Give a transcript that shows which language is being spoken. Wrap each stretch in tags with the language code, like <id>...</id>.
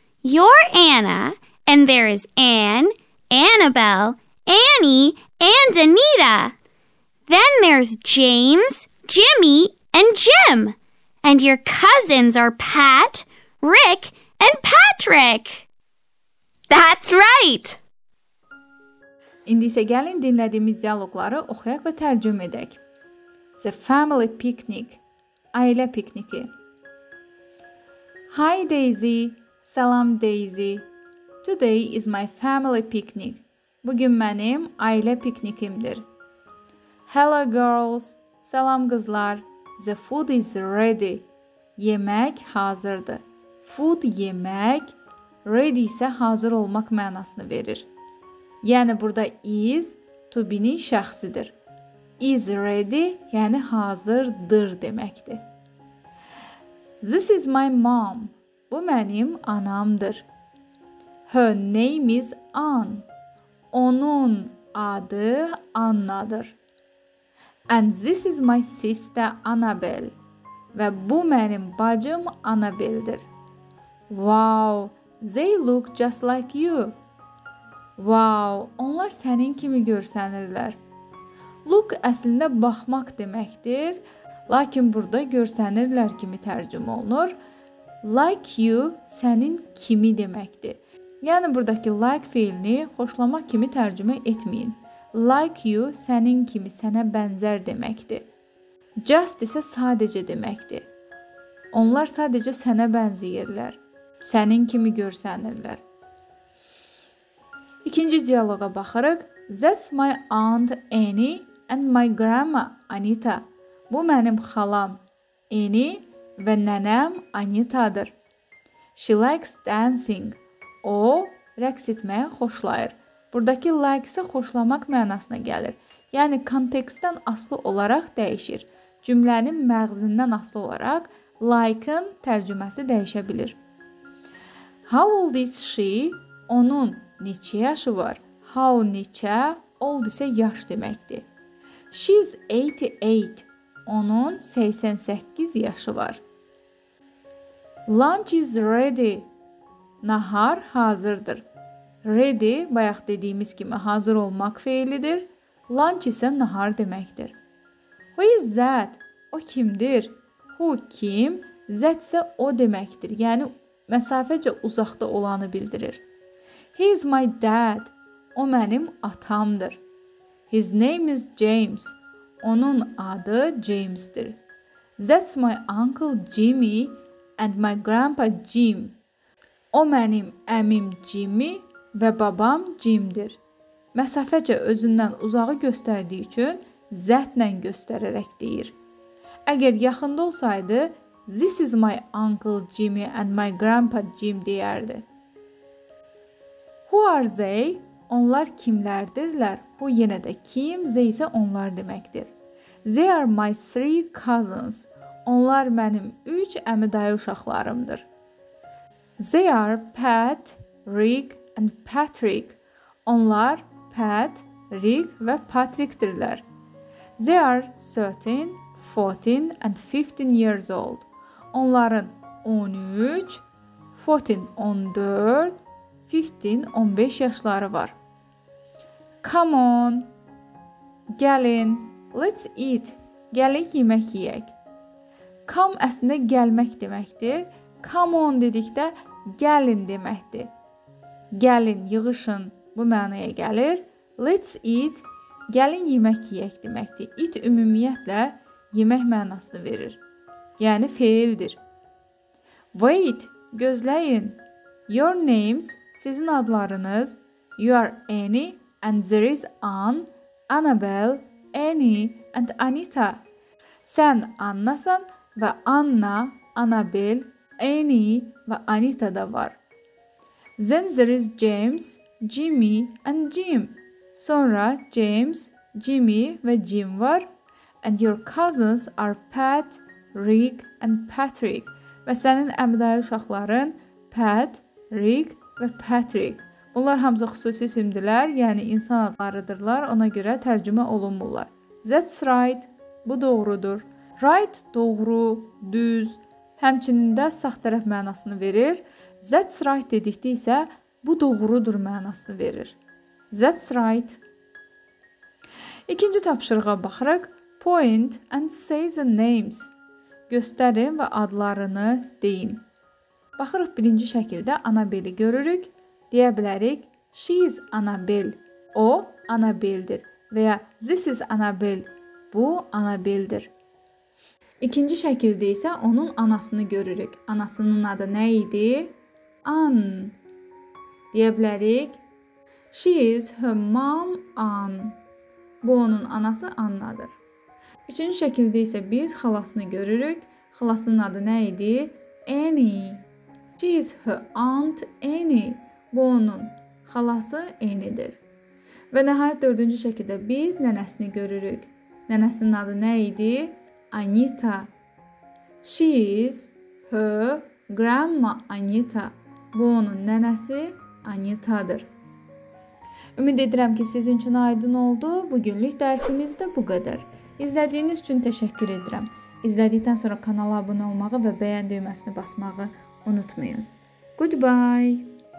<en>You're Anna, and there is Anne, Annabelle, Annie, and Anita. Then there's James, Jimmy, and Jim. And your cousins are Pat, Rick, and Patrick. That's right.</en> <az>İndi isə gəlin dinlədiyimiz dialogları oxuyaq və tərcümə edək.</az> <en>The family picnic.</en> <az>Ailə pikniki.</az> <en>Hi, Daisy.</en> <az>Salam, Daisy.</az> <en>Today is my family picnic.</en> <az>Bugün mənim ailə piknikimdir.</az> <en>Hello, girls.</en> <az>Salam, qızlar.</az> <en>The food is ready.</en> <az>Yemək hazırdır. Food, yemək, ready isə hazır olmaq mənasını verir. Yəni, burada is, to be-nin şəxsidir. Is ready, yəni hazırdır deməkdir.</az> <en>This is my mom.</en> <az>Bu mənim anamdır.</az> <en>Her name is Ann.</en> <az>Onun adı Anna'dır.</az> <en>And this is my sister Annabelle.</en> <az>Və bu mənim bacım Annabelle'dir.</az> <en>Wow, they look just like you.</en> <az>Wow, onlar sənin kimi görsənirlər.</az> <en>Look</en> <az>əslində baxmaq deməkdir. Lakin burada görsənirlər kimi tərcümə olunur.</az> <en>Like you,</en> <az>sənin kimi deməkdir. Yəni, buradakı like fiilini xoşlamaq kimi tərcümə etməyin.</az> <en>Like you,</en> <az>sənin kimi, sənə bənzər deməkdir. Just isə sadəcə deməkdir. Onlar sadəcə sənə bənzəyirlər. Sənin kimi görsənirlər. İkinci diyaloga baxırıq.</az> <en>That's my aunt Annie and my grandma Anita.</en> <az>Bu mənim xalam Annie və nənəm Anita'dır.</az> <en>She likes dancing.</en> <az>O, rəqs etməyə xoşlayır. Buradakı like isə xoşlamaq mənasına gəlir. Yəni, kontekstdən asılı olaraq dəyişir. Cümlənin məğzindən asılı olaraq like-ın tərcüməsi dəyişə bilir.</az> <en>How old is she?</en> <az>Onun neçə yaşı var? How neçə? Old isə yaş deməkdir.</az> <en>She's 88.</en> <az>Onun 88 yaşı var.</az> <en>Lunch is ready.</en> <az>Nahar hazırdır. Ready, bayaq dediyimiz kimi hazır olmaq fiilidir. Lunch isə nahar deməkdir.</az> <en>Who is that?</en> <az>O kimdir?</az> <en>Who kim?</en> <az>That isə o deməkdir. Yəni, məsafəcə uzaqda olanı bildirir.</az> <en>He is my dad.</en> <az>O mənim atamdır.</az> <en>His name is James.</en> <az>Onun adı James'dir.</az> <en>That's my uncle Jimmy and my grandpa Jim.</en> <az>O mənim əmim Jimmy və babam Jim'dir. Məsafəcə özündən uzağı göstərdiyi üçün Z-lə göstərərək deyir. Əgər yaxında olsaydı,</az> <en>this is my uncle Jimmy and my grandpa Jim deyərdi. Who are they?</en> <az>Onlar kimlərdirlər? Bu yenə də kim, they isə onlar deməkdir.</az> <en>They are my three cousins.</en> <az>Onlar mənim üç əmi dayı uşaqlarımdır.</az> <en>They are Pat, Rick and Patrick.</en> <az>Onlar Pat, Rick ve Patrick'tirler.</az> <en>They are 13, 14 and 15 years old.</en> <az>Onların 13, 14 14, 15 15 yaşları var.</az> <en>Come on.</en> <az>Gəlin.</az> <en>Let's eat.</en> <az>Gəlin yemək yiyək. Come əslində gəlmək deməkdir.</az> <en>Come on</en> <az>dedikdə gəlin deməkdir. Gəlin, yığışın bu mənaya gəlir.</az> <en>Let's eat.</en> <az>Gəlin yemək yiyək deməkdir. Eat ümumiyyətlə yemək mənasını verir. Yəni feildir.</az> <en>Wait.</en> <az>Gözləyin.</az> <en>Your names,</en> <az>sizin adlarınız.</az> <en>You are Annie and there is Anne, Annabelle, Annie and Anita.</en> <az>Sən Annasan və Anna, Annabelle, Annie və Anita da var.</az> <en>Then there is James, Jimmy and Jim.</en> <az>Sonra James, Jimmy və Jim var.</az> <en>And your cousins are Pat, Rick and Patrick.</en> <az>Və sənin əmdayı uşaqların Pat, Rick və Patrick. Bunlar hamısı xüsusi isimdirlər, yəni insan adlarıdırlar, ona görə tərcümə olunmurlar.</az> <en>That's right,</en> <az>bu doğrudur. Right, doğru, düz, həmçinin də sağ tərəf mənasını verir. That's right dedikdə isə bu doğrudur mənasını verir.</az> <en>That's right.</en> <az>İkinci tapşırığa baxırıq.</az> <en>Point and say the names.</en> <az>Göstərin və adlarını deyin. Baxırıq birinci şəkildə Annabelle-i görürük. Deyə bilərik,</az> <en>she is Annabelle,</en> <az>o Annabelle-dir və ya</az> <en>this is Annabelle,</en> <az>bu Annabelle-dir. İkinci şəkildə isə onun anasını görürük. Anasının adı nə idi? Ann. Deyə bilərik,</az> <en>she is her mom Ann.</en> <az>Bu onun anası Annadır. Üçüncü şəkildə isə biz xalasını görürük. Xalasının adı nə idi? Annie.</az> <en>She is her aunt Annie.</en> <az>Bu onun xalası Annie-dir. Və nəhayət dördüncü şəkildə biz nənəsini görürük. Nənəsinin adı nə idi? Anita.</az> <en>She is her grandma Anita.</en> <az>Bu onun nənəsi Anita-dır. Ümid edirəm ki, sizin üçün aydın oldu. Bugünlük dərsimiz də bu qədər. İzlədiyiniz üçün təşəkkür edirəm. İzlədikdən sonra kanala abunə olmağı və bəyən düyməsini basmağı unutmayın.</az> <en>Goodbye!</en>